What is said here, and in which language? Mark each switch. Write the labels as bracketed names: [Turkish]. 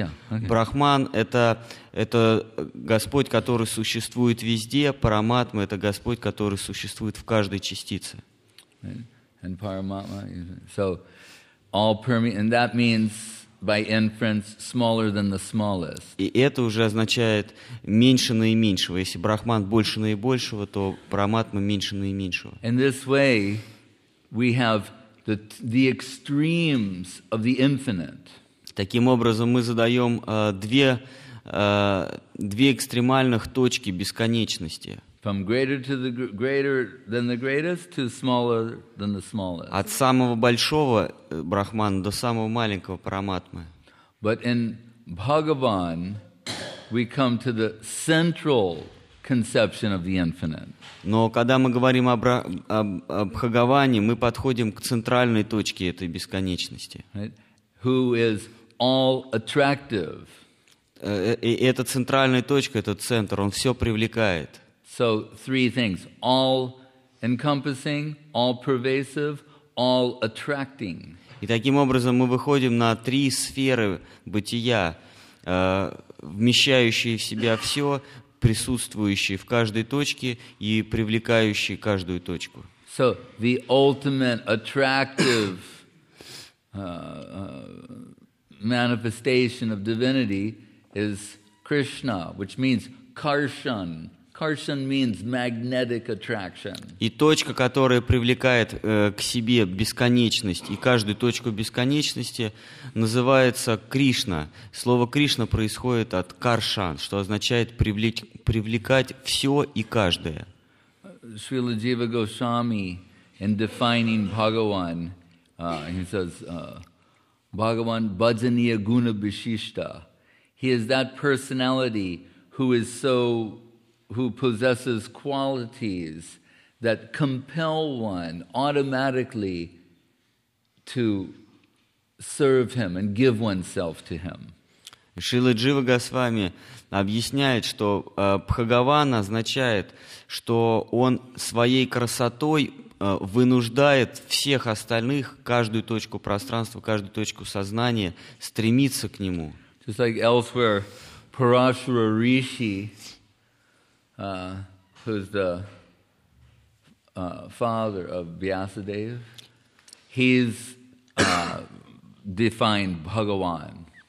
[Russian] Брахман — это Господь, который существует везде. Параматма — это Господь, который существует в каждой частице. [English] And Paramatma, so all permeating, and that means by inference smaller than the smallest. [Russian] И это уже означает меньше наименьшего. Если Брахман больше наибольшего, то Параматма меньше наименьшего. [English] In this way, we have the extremes of the infinite. [Russian] Таким образом, мы задаем две экстремальных точки бесконечности. [English] From greater to the greater than the greatest to smaller than the smallest. [Russian] От самого большого Брахмана до самого маленького Параматмы. [English] But in Bhagavan, we come to the central conception of the infinite. [Russian] Но когда мы говорим о Бхагаване, мы подходим к центральной точке этой бесконечности. [English] Right? Who is all attractive. [Russian] Эта центральная точка, этот центр, он все привлекает. [English] So three things: all encompassing, all pervasive, all attracting. [Russian] И таким образом мы выходим на три сферы бытия, вмещающие в себя все, присутствующие в каждой точке и привлекающие каждую точку. [English] So the ultimate attractive manifestation of divinity is Krishna, which means Karshan. Karshan means magnetic attraction. [Russian] И точка, которая привлекает к себе бесконечность и каждую точку бесконечности, называется Кришна. Слово Кришна происходит от Каршан, что означает привлекать все и каждое. [English] Srila Jiva Goswami, in defining Bhagavan, he says, [Sanskrit] Bhagavan Bhajaniya Guna Bishishta. [English] He is that personality who possesses qualities that compel one automatically to serve him and give oneself to him. [Russian] Шрила Джива Госвами объясняет, что Бхагаван означает, что он своей красотой вынуждает всех остальных, каждую точку пространства, каждую точку сознания стремиться к нему. [English] Just like elsewhere, Parashara Rishi, who's the father of Vyasadeva, he's defined Bhagavan.